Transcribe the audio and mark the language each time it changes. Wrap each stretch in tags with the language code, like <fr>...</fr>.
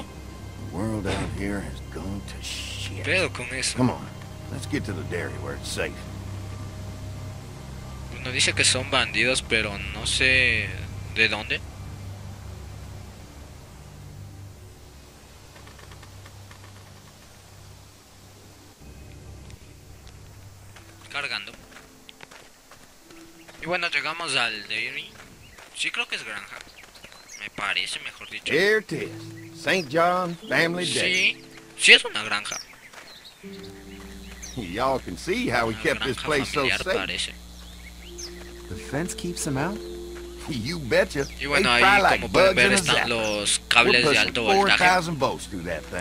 <en>The world out here has gone to shit.</en> <es>¿Qué pedo con eso?</es> <en>Come on, let's get to the dairy where it's safe.</en> <es>Bueno, dice que son bandidos, pero no sé de dónde. Cargando. Y bueno, llegamos al dairy. Sí, creo que es granja. Me parece, mejor dicho.</es> <en>Here it is. St. John Family Dairy.</en> <es>Sí. Sí es una granja.</es> <en>Y'all can see how we kept this place so safe.</en> <es>Parece.</es> <en>The fence keeps them out? You betcha.</en> <es>Y bueno, ahí como pueden ver están los cables de alto voltaje.</es>